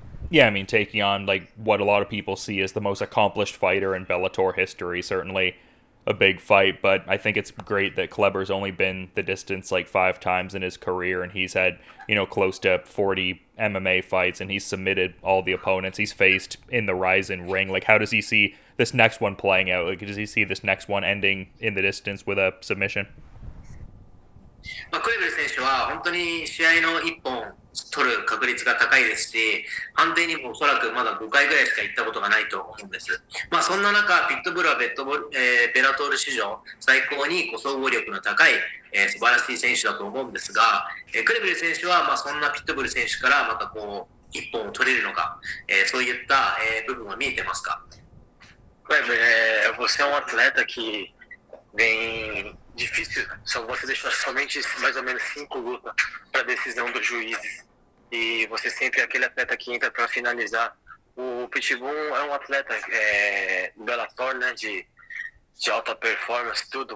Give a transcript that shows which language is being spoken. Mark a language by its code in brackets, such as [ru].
[en] Yeah, I mean, taking on, like, what a lot of people see as the most accomplished fighter in Bellator history, certainly a big fight, but I think it's great that Kleber's only been the distance, like, 5 times in his career, and he's had, you know, close to 40 MMA fights, and he's submitted all the opponents he's faced in the Ryzen ring. Like, how does he see this next one playing out? Like, does he see this next one ending in the distance with a submission? [ja] Kleber 選手は本当に試合の一本取る確率が高いですし、判定にもおそらくまだ5回ぐらいしか行ったことがないと思うんです。まあ、そんな中、ピットブルはベラトール史上最高にこう総合力の高い、素晴らしい選手だと思うんですが、クレベル選手はまあそんなピットブル選手からまたこう1本を取れるのか、そういった、部分は見えてますか？ [pt] クレベル、você é um atleta que vem difícil, só você deixou somente mais ou menos 5 lutas para decisão dos juízes. E você sempre é aquele atleta que entra para finalizar. O Pitbull é um atleta Bellator, né, de alta performance, tudo.